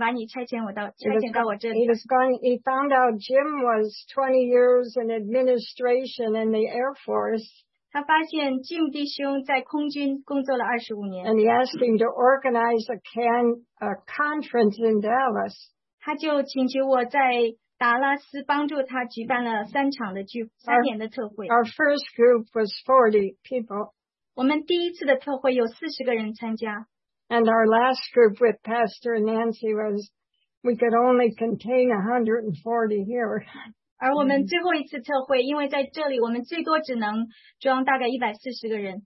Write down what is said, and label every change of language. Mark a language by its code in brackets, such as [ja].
[zh] 当他发现我先生已经退休了以后，他就对我说：“哦，你要跟我在一起同工，因为神把你差遣到我这里。”He [en] was going. He found out Jim was 20 years in administration in the Air Force. [zh] 他发现Jim弟兄在空军工作了25年。 [en] And he asked him to organize a conference in Dallas. [zh] 他就请求我在达拉斯帮助他举办了三场的聚会，三年的特会。 [en] Our first group was 40 people. [zh] 我们第一次的特会有40个人参加。And [en] our last group with Pastor Nancy was, we could only contain 140 here. [zh] 而我们最后一次特会，因为在这里我们最多只能装大概140个人。